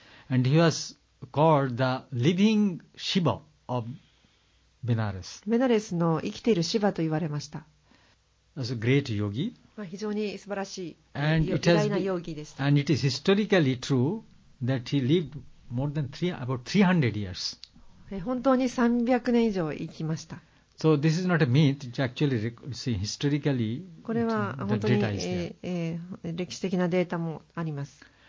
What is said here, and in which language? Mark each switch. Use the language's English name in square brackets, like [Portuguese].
[English] And he was called the living Shiva of Benares. [Japanese] Benares の生きているシヴァと言われました。 [English] As a great yogi. [Japanese] 非常に素晴らしい偉大なヨギでした。 [English] And it is historically true that he lived more than about 300 years. [Japanese] 本当に300年以上生きました。 [English] So this is not a myth. It's actually, see, historically, [Japanese] これは本当に、歴史的なデータもあります。